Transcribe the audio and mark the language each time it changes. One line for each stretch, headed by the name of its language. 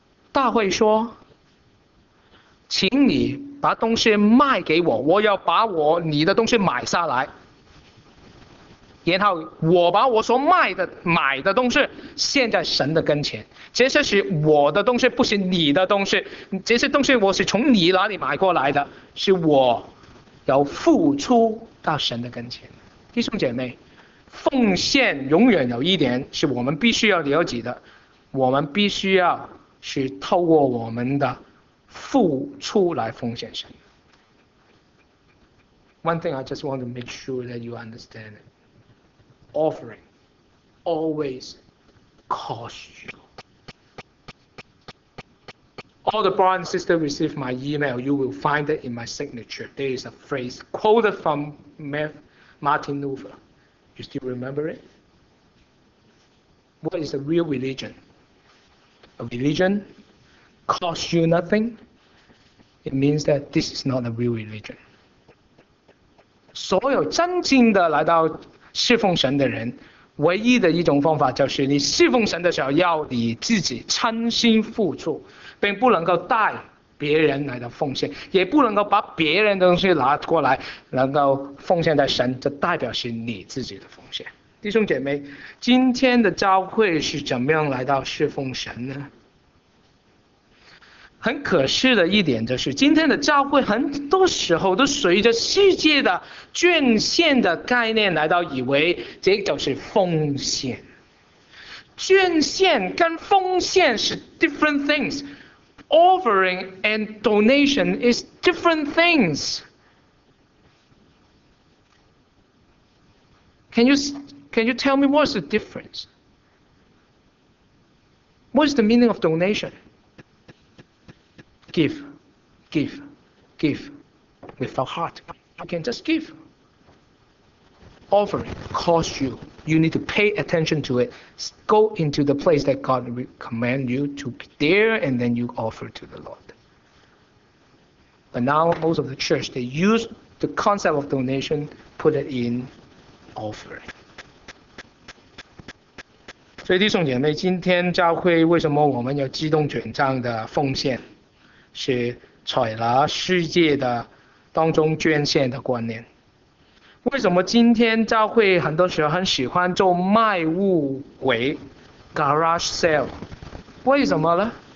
Chinese: 大卫说，请你把东西卖给我，我要把你的东西买下来，然后我把我所买的东西献在神的跟前，这些是我的东西，不是你的东西，这些东西我是从你那里买过来的，是我要付出到神的跟前。弟兄姐妹，奉献永远有一点是我们必须要了解的，我们必须要去透过我们的付出来奉献神。
English: One thing I just want to make sure that you understand it. Offering always costs you. All the brothers and sisters receive my email, you will find it in my signature. There is a phrase quoted from Martin Luther. You still remember it? What is a real religion? A religion costs you nothing. It means that this is not a real religion.
Chinese: 所有真正的来到侍奉神的人，唯一的一种方法就是你侍奉神的时候要你自己称心付出，并不能够带别人来的奉献，也不能够把别人的东西拿过来能够奉献在神，这代表是你自己的奉献。弟兄姐妹，今天的教会是怎么样来到侍奉神呢？很可惜的一点就是，今天的教会很多时候都随着世界的捐献的概念来到，以为这就是奉献。捐献跟奉献是
English: different things， offering and donation is different things。 Can you tell me what's the difference? What's the meaning of donation? Give, give, give without heart. You can just give. Offering costs you. You need to pay attention to it. Go into the place that God command you to be there, and then you offer to the Lord. But now most of the church, they use the concept of donation, put it in offering.
Chinese: 所以弟兄姐妹，今天教会为什么我们要自动转账的奉献，是采纳世界的当中捐献的观念。为什么今天教会很多时候很喜欢做卖物鬼 garage sale？ 为什么呢？